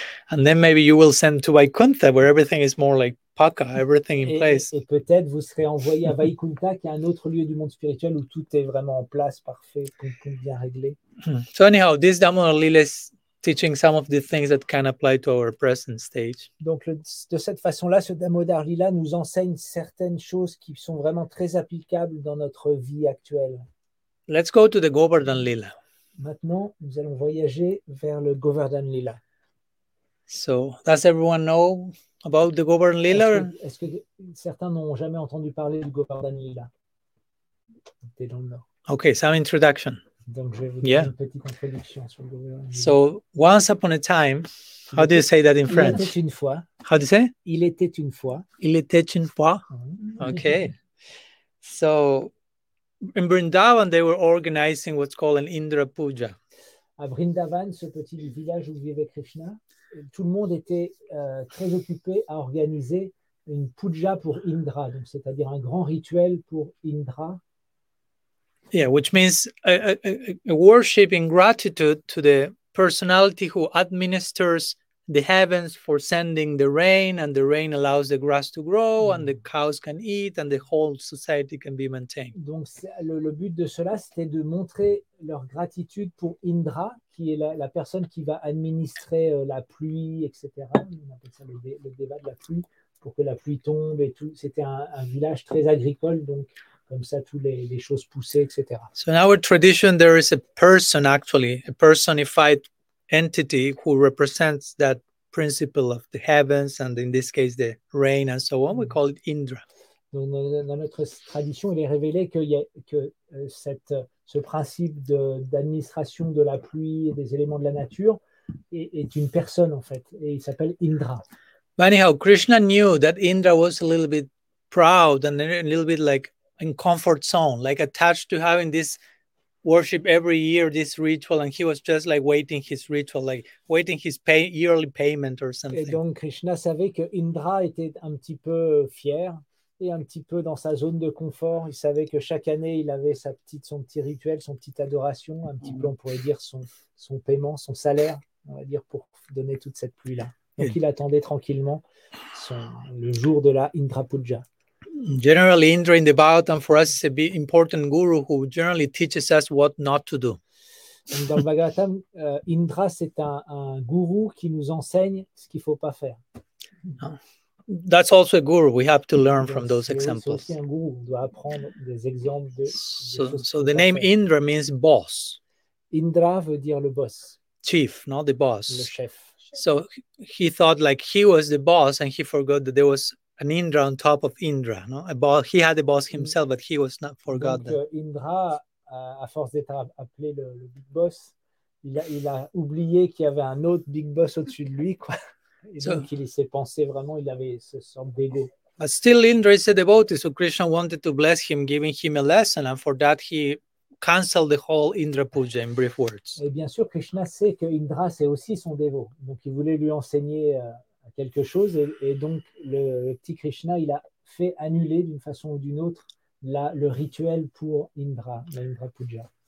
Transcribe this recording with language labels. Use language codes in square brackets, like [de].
[en] And then maybe you will send to Vaikuntha, where everything is more like Paka, everything in place. [fr] Et peut-être vous serez envoyé à Vaikuntha, qui est un autre lieu du monde spirituel où tout est vraiment en place, parfait, tout bien réglé. [en] So anyhow, this Damodar Lila is teaching some of the things that can apply to our present stage. [fr] Donc de cette façon-là, ce Damodar Lila nous enseigne certaines choses qui sont vraiment très applicables dans notre vie actuelle. [en] Let's go to the Govardhan Lila. [fr] Maintenant, nous allons voyager vers le Govardhan Lila. [en] So, does everyone know about the Govardhan Lila? [fr] Est-ce que certains n'ont jamais entendu parler du Govardhan Lila? [en] They don't know. Okay, some introduction. [fr] Donc, je vais vous donner une petite introduction sur le Govardhan Lila. [en] So, once upon a time, how do you say that in French? [fr] Il était une fois. [en] How do you say? [fr] Il était une fois. Il était une fois. [en] Okay. So, in Vrindavan, they were organizing what's called an Indra Puja. [fr] À Vrindavan, ce petit village où vivait Krishna, tout le monde était très occupé à organiser une puja pour Indra, donc c'est-à-dire un grand rituel pour Indra. [en] Yeah, which means a worship in gratitude to the personality who administers the heavens for sending the rain, and the rain allows the grass to grow, and the cows can eat, and the whole society can be maintained. [fr] Donc, le but de cela, c'était de montrer leur gratitude pour Indra, qui est la personne qui va administrer la pluie, etc. On appelle ça le débat de la pluie, pour que la pluie tombe et tout. C'était un village très agricole, donc comme ça, toutes les choses poussaient, etc. [en] So, in our tradition, there is a person actually, a personified entity who represents that principle of the heavens, and in this case the rain and so on, we call it Indra. [fr] Donc, dans notre tradition, il est révélé que ce principe d'administration de la pluie et des éléments de la nature est une personne, en fait, et il s'appelle Indra. [en] But anyhow, Krishna knew that Indra was a little bit proud and a little bit like in comfort zone, like attached to having this worship every year, this ritual, and he was just like waiting his ritual, like waiting his yearly payment or something. [fr] Et donc Krishna savait que Indra était un petit peu fier et un petit peu dans sa zone de confort. Il savait que chaque année, il avait son petit rituel, son petite adoration, un petit peu, on pourrait dire, son paiement, son salaire, on va dire, pour donner toute cette pluie-là. Donc, il attendait tranquillement le jour de la Indra Puja. [en] Generally, Indra in the Bhagavatam for us is a big important guru who generally teaches us what not to do. [fr] Donc, dans le Bhagavatam, Indra, c'est un guru qui nous enseigne ce qu'il ne faut pas faire. [en] That's also a guru. We have to learn from those examples. [fr] C'est aussi un guru. On doit apprendre des exemples de [en] So the name faire. Indra means boss. [fr] Indra veut dire le boss. [en] Chief, not the boss. [fr] Le chef. [en] So he thought like he was the boss and he forgot that there was an Indra on top of Indra. No? A boss, he had a boss himself, but he was not forgotten. [fr] Donc, Indra, à force d'être appelé le big boss, il a oublié qu'il y avait un autre big boss au-dessus de lui, quoi. Et donc, il s'est pensé vraiment, il avait ce sort d'ego. [en] But still, Indra is a devotee, so Krishna wanted to bless him, giving him a lesson, and for that he cancelled the whole Indra Puja in brief words. [fr] Et bien sûr, Krishna sait que Indra, c'est aussi son dévot. Donc, il voulait lui enseigner quelque chose, et donc, le petit Krishna, il a fait annuler d'une façon ou d'une autre le rituel pour Indra, la Indra Puja.